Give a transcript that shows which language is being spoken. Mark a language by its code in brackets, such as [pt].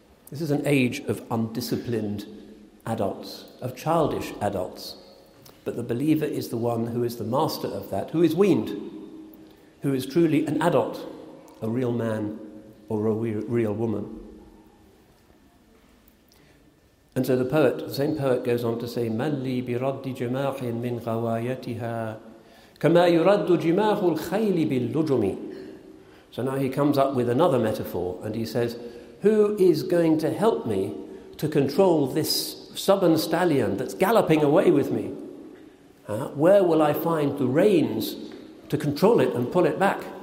[en] This is an age of undisciplined adults, of childish adults. But the believer is the one who is the master of that, who is weaned, who is truly an adult, a real man or a real woman. [ar] And so the same poet goes on to say, مَلِّي بِرَدِّ جِمَاحٍ مِنْ غَوَايَتِهَا كَمَا يُرَدُّ جِمَاحُ الْخَيْلِ بِاللُّجُمِ. [en] So now he comes up with another metaphor and he says, who is going to help me to control this stubborn stallion that's galloping away with me? Where will I find the reins to control it and pull it back?